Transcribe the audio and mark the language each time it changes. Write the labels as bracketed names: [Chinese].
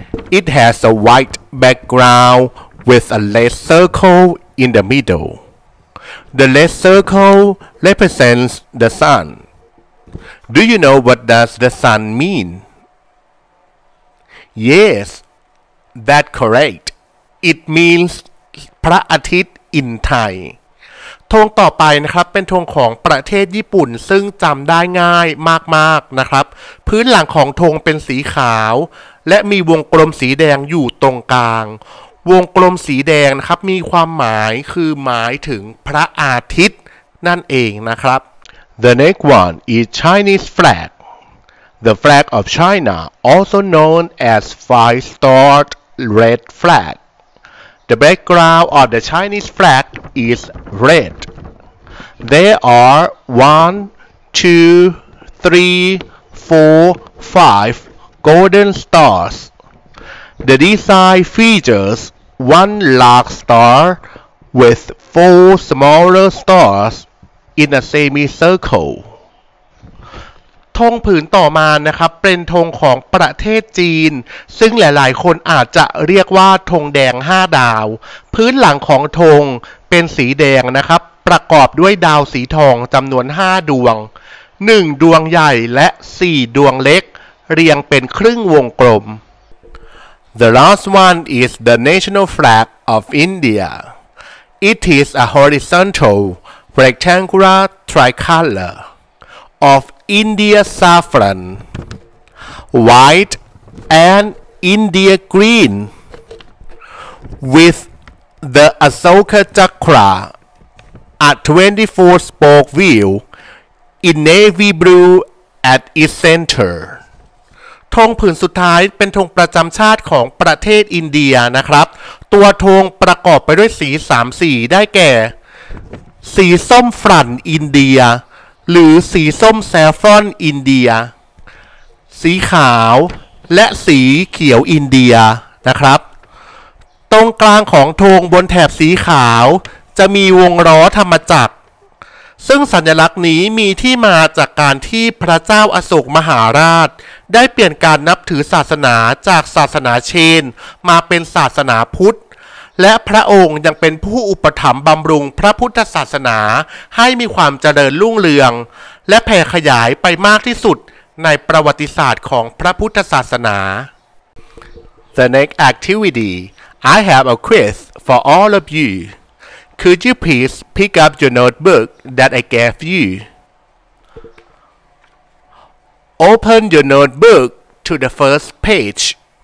[English] It has a white background with a red circle in the middle. The red circle represents the sun. Do you know what does the sun mean? Yes, that's correct. It means [Thai] พระอาทิตย์อินไทย ธงต่อไปนะครับเป็นธงของประเทศญี่ปุ่นซึ่งจำได้ง่ายมากๆนะครับพื้นหลังของธงเป็นสีขาวและมีวงกลมสีแดงอยู่ตรงกลางวงกลมสีแดงนะครับมีความหมายคือหมายถึงพระอาทิตย์นั่นเองนะครับ [English] The next one is Chinese flag. The flag of China, also known as five-star red flag. The background of the Chinese flag is red. There are 1, 2, 3, 4, 5 golden stars. The design features. One large star with four smaller stars in a semicircle. [Thai] ธงผืนต่อมานะครับเป็นธงของประเทศจีนซึ่งหลายๆคนอาจจะเรียกว่าธงแดง5ดาวพื้นหลังของธงเป็นสีแดงนะครับประกอบด้วยดาวสีทองจำนวน5ดวง1ดวงใหญ่และ4ดวงเล็กเรียงเป็นครึ่งวงกลม [English] The last one is the national flag of India. It is a horizontal, rectangular tricolor of India saffron, white and India green, with the Ashoka Chakra, a 24-spoke wheel, in navy blue at its center. [Thai] ธงผืนสุดท้ายเป็นธงประจำชาติของประเทศอินเดียนะครับตัวธงประกอบไปด้วยสี3สีได้แก่สีส้มฝรั่งอินเดียหรือสีส้มแซฟรอนอินเดีย สีขาวและสีเขียวอินเดียนะครับตรงกลางของธงบนแถบสีขาวจะมีวงล้อธรรมจักรซึ่งสัญลักษณ์นี้มีที่มาจากการที่พระเจ้าอโศกมหาราชได้เปลี่ยนการนับถือศาสนาจากศาสนาเชนมาเป็นศาสนาพุทธ และพระองค์ยังเป็นผู้อุปถัมภ์บำรุงพระพุทธศาสนาให้มีความเจริญรุ่งเรืองและแผ่ขยายไปมากที่สุดในประวัติศาสตร์ของพระพุทธศาสนา [English] The next activity I have a quiz for all of you Could you please pick up your notebook that I gave youOpen your notebook to the first page.